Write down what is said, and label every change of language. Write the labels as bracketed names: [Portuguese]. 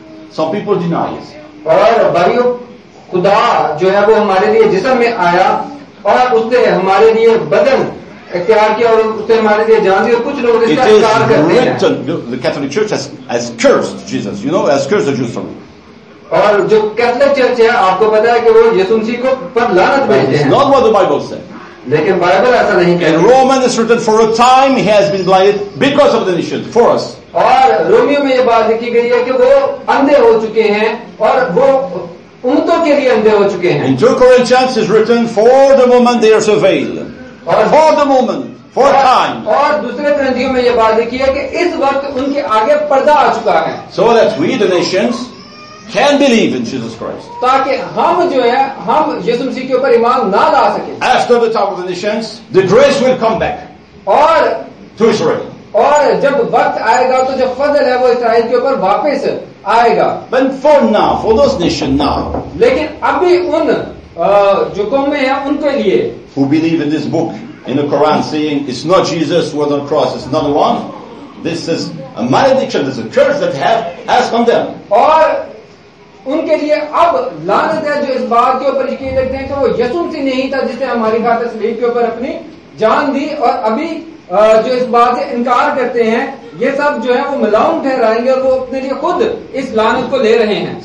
[English] Some people deny it. It is written, the Catholic Church has cursed Jesus, you know, has cursed the Jews from it. [Hindi] और जो Catholic church है आपको पता है कि वो यीशु मसीह को पर लानत भेजते हैं. [English] Not what the Bible said. [Hindi] लेकिन बाइबल ऐसा नहीं कहती. [English] And Roman is written for a time he has been blinded because of the nation for us. [Hindi] और रोमियो में ये बात लिखी गई है कि वो अंधे हो चुके हैं और वो ऊंटों के लिए अंधे हो चुके हैं. [English] In 2 Corinthians is written for the moment they are surveilled. For the moment, for time. [Hindi] और दूसरे ग्रंथियों में ये बात लिखी है कि इस वक्त उनके आगे पर्दा आ चुका है. [English] So that we the nations can believe in Jesus Christ. [Hindi] ताकि हम जो है हम यीशु मसीह के ऊपर ईमान ना ला सके. [English] After the time of the nations, the grace will come back. [Hindi] और [English] to Israel. [Hindi] और जब वक्त आएगा तो जब फजल है वो इसराइल के ऊपर वापस आएगा. [English] But for now, for those nations now. [Hindi] लेकिन अभी उन जो कौम है उनके लिए. [English] Who believe in this book, in the Quran, saying it's not Jesus who was on the cross, it's not the one. This is a malediction. This is a curse that has come down. [Hindi] और उनके लिए अब लानत है जो इस बात के ऊपर यकीन रखते हैं कि वो यीशु मसीह नहीं था जिसने हमारी खातिर सलीब के ऊपर अपनी जान दी और अभी जो इस बात से इनकार करते हैं ये सब जो है वो मिलाऊं ठहराएंगे और वो अपने लिए खुद इस लानत को ले रहे हैं.